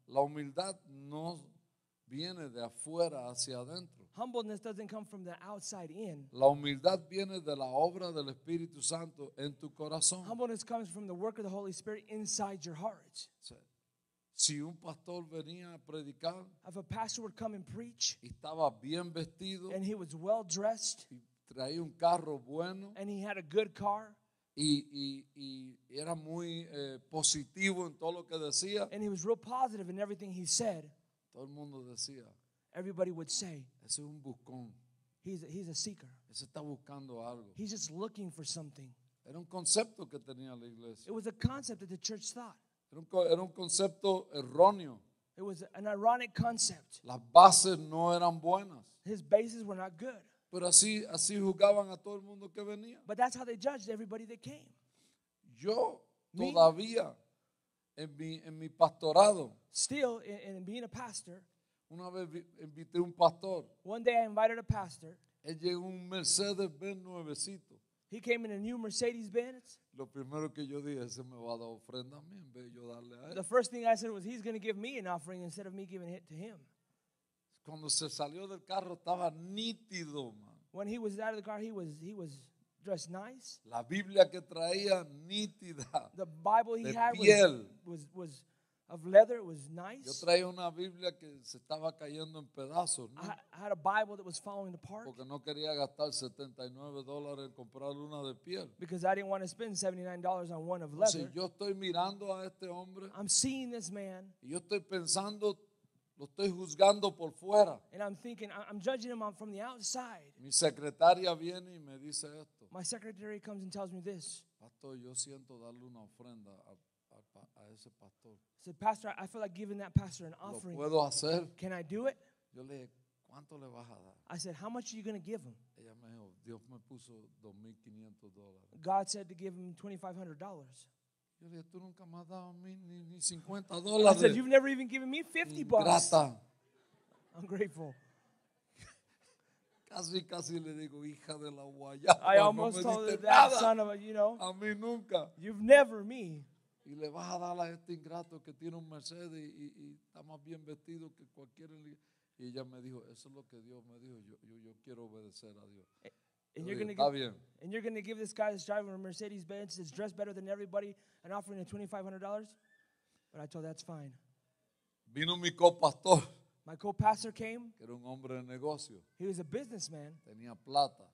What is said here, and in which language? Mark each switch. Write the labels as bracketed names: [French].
[Spanish] La humildad no viene de afuera hacia adentro. [English] Humbleness doesn't come from the outside in. [Spanish] La humildad viene de la obra del Espíritu Santo en tu corazón. [English] Humbleness comes from the work of the Holy Spirit inside your heart. [Spanish] Si un pastor venía a predicar, [English] if a pastor would come and preach, [Spanish] y estaba bien vestido, [English] and he was well dressed, [Spanish] y traía un carro bueno, [English] and he had a good car, [Spanish] y era muy positivo en todo lo que decía, [English] and he was real positive in everything he said, [Spanish] todo el mundo decía, [English] everybody would say, [Spanish] ese es un buscón. [English] He's a seeker. [Spanish] Ese está buscando algo. [English] He's just looking for something. [Spanish] Era un concepto que tenía la iglesia. [English] It was a concept that the church thought. [Spanish] Era un concepto erróneo. [English] It was an ironic concept. [Spanish] Las bases no eran buenas. [English] His bases were not good. [Spanish] Pero así jugaban a todo el mundo que venía. [English] But that's how they judged everybody that came. [Spanish] Yo todavía en mi pastorado. [English] Still in being a pastor. [Spanish] Una vez invité un pastor. [English] One day I invited a pastor. [Spanish] Él llegó un Mercedes Benz nuevecito. [English] He came in a new Mercedes Benz. [Spanish] Lo primero que yo dije, ese me va a dar ofrenda a mí en vez de yo darle a él. [English] The first thing I said was, he's going to give me an offering instead of me giving it to him. [Spanish] Cuando se salió del carro estaba nítido, man. [English] When he was out of the car, he was dressed nice. [Spanish] La Biblia que traía nítida. [English] The Bible he had [Spanish] piel. [English] was of leather. It was nice. [Spanish] Yo traía una Biblia que se estaba cayendo en pedazos, ¿no? [English] I had a Bible that was falling apart. [Spanish] Porque no quería gastar $79 en comprar una de piel. [English] Because I didn't want to spend $79 on one of leather. [Spanish] Entonces, yo estoy mirando a este hombre. [English] I'm seeing this man. [Spanish] Y yo estoy pensando. Lo estoy juzgando por fuera. [English] And I'm thinking, I'm judging him from the outside. [Spanish] Mi secretaria viene y me dice esto. [English] My secretary comes and tells me this. [Spanish] Pastor, yo siento darle una ofrenda a ese pastor. [English] I said, Pastor, I feel like giving that pastor an offering. [Spanish] ¿Lo puedo hacer? [English] Can I do it? [Spanish] Yo le dije, ¿cuánto le vas a dar? [English] I said, how much are you going to give him? [Spanish] Ella me dijo, Dios me puso $2,500. [English] God said to give him $2,500. [Spanish] Yo le dije, tú nunca me has dado ni $50. [English] I said, you've never even given me $50. [Spanish] Ingrata. [English] I'm grateful. [Spanish] Casi le digo, hija de la guayaba. [English] I almost told her that, son of a, you know. [Spanish] A mí nunca. [English] You've never, me. [Spanish] Y le vas a dar a este ingrato que tiene un Mercedes y está más bien vestido que cualquier. Y ella me dijo, eso es lo que Dios me dijo. Yo quiero obedecer a Dios. [English] And you're going to give this guy that's driving a Mercedes Benz that's dressed better than everybody an offering of $2,500? But I told her, that's fine. [Spanish] Vino mi copastor. [English] My co-pastor came. [Spanish] Que era un hombre de negocio. [English] He was a businessman. [Spanish] Tenía plata.